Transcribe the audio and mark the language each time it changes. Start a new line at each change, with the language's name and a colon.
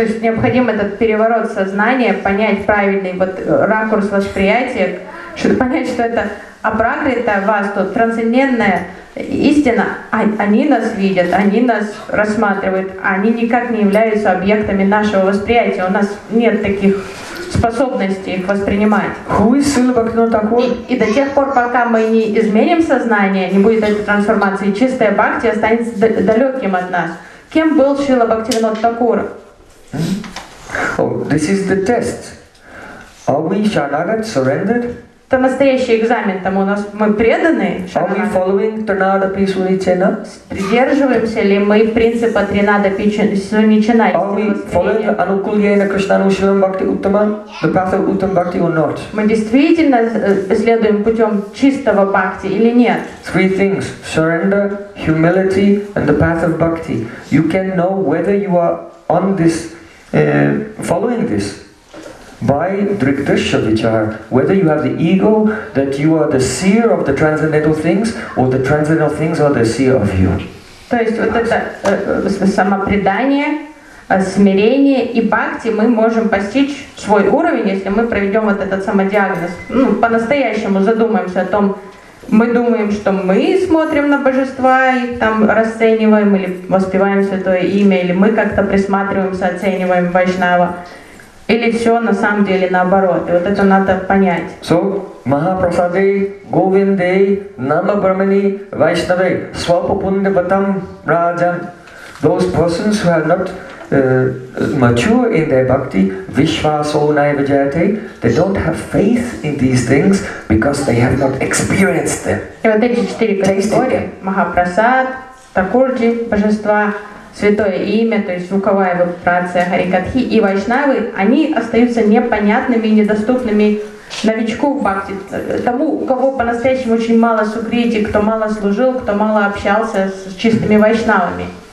Russian: То есть необходим этот переворот сознания, понять правильный вот ракурс восприятия, чтобы понять, что это апракритавасту, трансцендентная истина, они нас видят, они нас рассматривают, они никак не являются объектами нашего восприятия, у нас нет таких способности их воспринимать.
English: Who is Srila Bhaktivinoda Thakur?
Russian: И до тех пор, пока мы не изменим сознание, не будет этой трансформации, чистая бхакти останется далеким от нас. Кем был Шрила Бхактивинода Такур?
English: Oh, this is the test. Are we Sharanagat surrendered?
Russian: это настоящий экзамен, там у нас мы преданы.
English: Are we following Trinada Pi Suni Chena?
Russian: Сдерживаемся ли мы принципа Trinada Pi Suni Chena?
English: Are we following Anukulyena Krishnanu Shivam Bhakti Uttama, the path of Uttam Bhakti or not?
Russian: Мы действительно следуем путем чистого бхакти или нет?
English: Three things: surrender, humility, and the path of bhakti. You can know whether you are on this, following this. By drigdrishya vichar, whether you have the ego that you are the seer of the transcendental things, or the transcendental things are the seer of you.
Russian: То есть вот это самопредание, смирение и бхакти мы можем постичь свой уровень, если мы проведем вот этот самодиагноз. Ну, по-настоящему задумаемся о том, мы думаем, что мы смотрим на божества и там расцениваем или воспеваем святое имя, или мы как-то присматриваемся, оцениваем вайшнава. Или все на самом деле наоборот. И вот это надо понять.
English: So, Mahaprasade, Govinde, Nama Brahmani, Vaishnave, Swapapunda Vatam Rajan. Those persons who are not mature in their bhakti, Vishvaso Naiva Jayate, they don't have faith in these things because they have not experienced them.
Russian: И вот эти четыре категории. Махапрасад, Такурджи, Божества, Святое имя, то есть звуковая вибрация Харикатхи и Вайшнавы, они остаются непонятными и недоступными новичку в бхакти, тому, у кого по-настоящему очень мало сукрити, кто мало служил, кто мало общался с чистыми вайшнавами.